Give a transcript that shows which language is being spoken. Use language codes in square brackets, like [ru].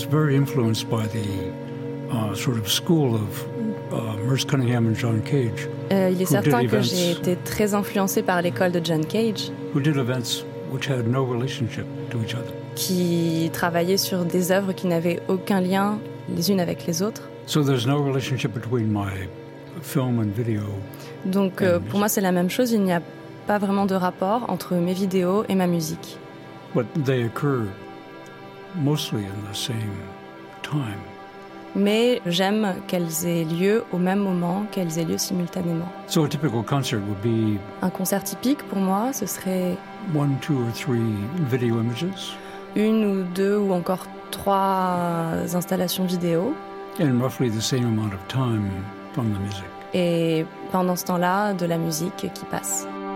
[en] Influenced by the sort of school of Merce Cunningham and John Cage. [fr] Il est certain que j'ai été très influencé par l'école de John Cage. [en] Who did events which had no relationship to each other. [fr] Qui travaillaient sur des œuvres qui n'avaient aucun lien les unes avec les autres. [en] So there's no relationship between my film and video. [fr] Donc pour moi c'est la même chose, il n'y a pas vraiment de rapport entre mes vidéos et ma musique. [en] But they occur mostly in the same. [fr] Mais j'aime qu'elles aient lieu au même moment, qu'elles aient lieu simultanément. [en] So a typical concert would be [fr] un concert typique pour moi, ce serait [en] one, two or three video images. [fr] Une ou deux ou encore trois installations vidéo. [en] And roughly the same amount of time from the music. [fr] Et pendant ce temps-là, de la musique qui passe.